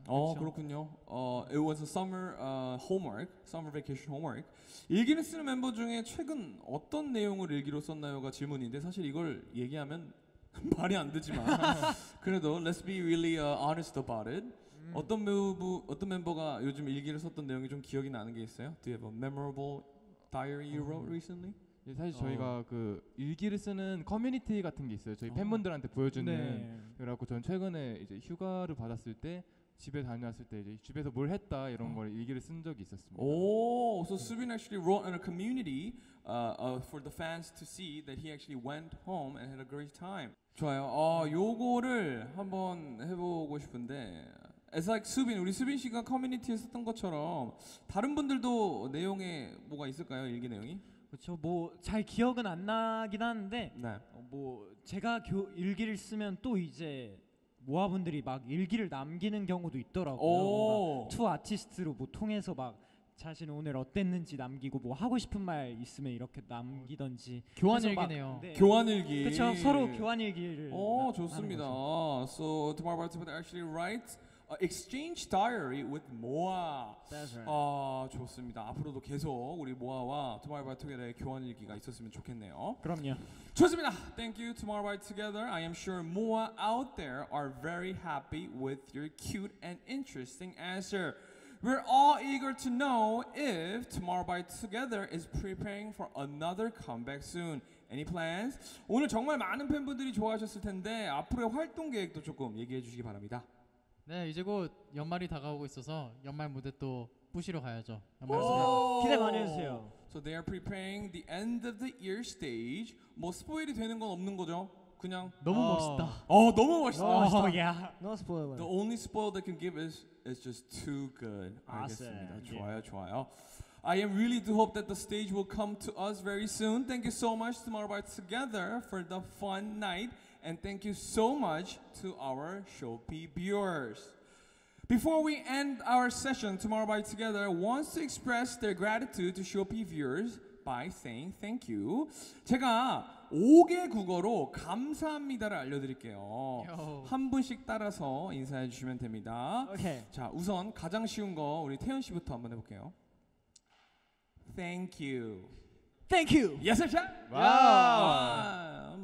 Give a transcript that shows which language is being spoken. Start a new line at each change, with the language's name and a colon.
Korean: 그렇죠. 그렇군요.
English: It was a summer homework, summer vacation homework.
Korean: 일기를 쓰는 멤버 중에 최근 어떤 내용을 일기로 썼나요가 질문인데 사실 이걸 얘기하면 말이 안 되지만 그래도
English: let's be really honest about it.
Korean: 어떤 멤버가 요즘 일기를 썼던 내용이 좀 기억이 나는 게 있어요?
English: Do you have a memorable diary you wrote recently?
Korean: 예, 사실 저희가 그 일기를 쓰는 커뮤니티 같은 게 있어요. 저희 팬분들한테 보여주는. 네. 그래갖고 전 최근에 이제 휴가를 받았을 때 집에 다녀왔을 때 이제 집에서 뭘 했다 이런 걸 일기를 쓴 적이 있었습니다.
English: 오, so Subin actually wrote in a community for the fans to see that he actually went home and had a great time.
Korean: 좋아요. 요거를 한번 해보고 싶은데.
English: It's like Subin,
Korean: 우리 수빈 씨가 커뮤니티에 썼던 것처럼 다른 분들도 내용에 뭐가 있을까요? 일기 내용이? 그렇죠. 뭐 잘 기억은 안 나긴 하는데 네. 뭐 제가 일기를 쓰면 또 이제 모아분들이 막 일기를 남기는 경우도 있더라고요. 투 아티스트로 뭐 통해서 막 자신 오늘 어땠는지 남기고 뭐 하고 싶은 말 있으면 이렇게 남기던지 교환 일기네요. 네. 교환 일기. 그렇죠. 서로 교환 일기를. 오 좋습니다.
English: So tomorrow participant actually writes exchange diary with Moa. That's right.
Korean: 아 좋습니다. 앞으로도 계속 우리 모아와 Tomorrow by Together의 교환 일기가 있었으면 좋겠네요. 그럼요. 좋습니다.
English: Thank you, Tomorrow by Together. I am sure Moa out there are very happy with your cute and interesting answer. We're all eager to know if Tomorrow by Together is preparing for another comeback soon. Any plans?
Korean: 오늘 정말 많은 팬분들이 좋아하셨을 텐데 앞으로의 활동 계획도 조금 얘기해 주시기 바랍니다. 네, 이제 곧 연말이 다가오고 있어서 연말 무대 또 부시러 가야죠. 연말 무대 기대 많이 해주세요.
English: So they are preparing the end of the year stage.
Korean: 뭐 스포일이 되는 건 없는 거죠? 그냥 너무 멋있다. 너무 멋있다. 너무 멋있다. Yeah.
English: No spoiler. The only spoil they can give is just too good.
Korean: 알겠습니다. 아, 좋아요, yeah. 좋아요.
English: I am really do hope that the stage will come to us very soon. Thank you so much Tomorrow by Together for the fun night. And thank you so much to our Shopee viewers. Before we end our session, Tomorrow by Together wants to express their gratitude to Shopee viewers by saying thank you.
Korean: 제가 5개 국어로 감사합니다를 알려드릴게요. 한 분씩 따라서 인사해 주시면 됩니다.
English: Okay.
Korean: 자, 우선 가장 쉬운 거 우리 태현 씨부터 한번 해볼게요.
English: Thank you. Thank you. Yes, sir. Wow. 와,